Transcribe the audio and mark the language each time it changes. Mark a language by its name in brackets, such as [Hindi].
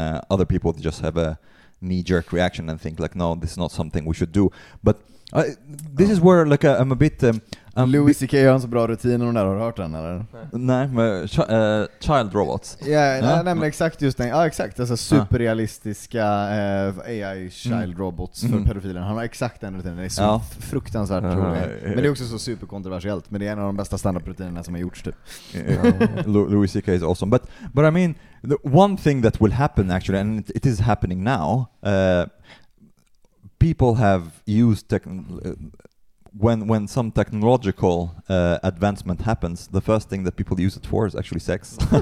[English] Other people just have a knee-jerk reaction and think like no this is not something we should do but this is where like I'm a bit [Swedish] Louis C.K. har en så bra rutin och har hört den eller? Nej, men [English] child robots. [Swedish] Ja, yeah, nämligen exakt just den. Ja, exakt. Alltså superrealistiska [English] AI child robots [Swedish] för pedofilen. Han har exakt den rutinen. Det är så fruktansvärt rolig. Men det är också så superkontroversiellt. Men det är en av de bästa standardrutinerna som har gjorts typ. [English] Louis C.K. is awesome. But I mean, the one thing that will happen actually, and it is happening now, people have used when some technological advancement happens, the first thing that people use it for is actually sex.